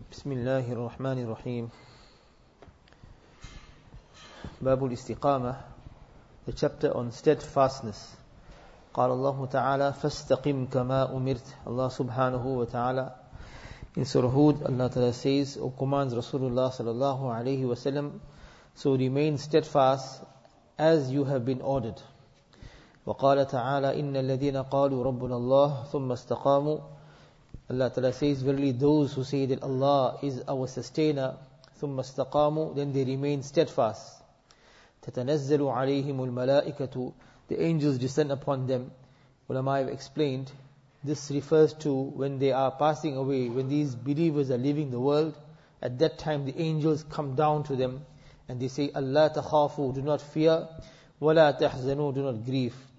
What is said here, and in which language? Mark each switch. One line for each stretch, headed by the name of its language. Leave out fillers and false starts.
Arabic: بسم الله الرحمن الرحيم باب الاستقامة
English: The chapter on steadfastness.
Arabic: قال الله تعالى فاستقم كما أمرت. الله سبحانه وتعالى
English: in Surah Hud, Allah Ta'ala says or commands Rasulullah sallallahu alayhi wa sallam, so remain steadfast as you have been ordered.
Arabic: وقال تعالى إن الذين قالوا ربنا الله ثم استقاموا.
English: Allah Ta'ala says, verily those who say that Allah is our sustainer,
Arabic: ثُمَّ اسْتَقَامُوا,
English: then they remain steadfast.
Arabic: تَتَنَزَّلُ عَلَيْهِمُ الْمَلَائِكَةُ,
English: the angels descend upon them. Ulama have explained, this refers to when they are passing away, when these believers are leaving the world, at that time the angels come down to them, and they say, Allah
Arabic: تَخَافُوا,
English: do not fear,
Arabic: وَلَا تَحْزَنُوا,
English: do not grieve.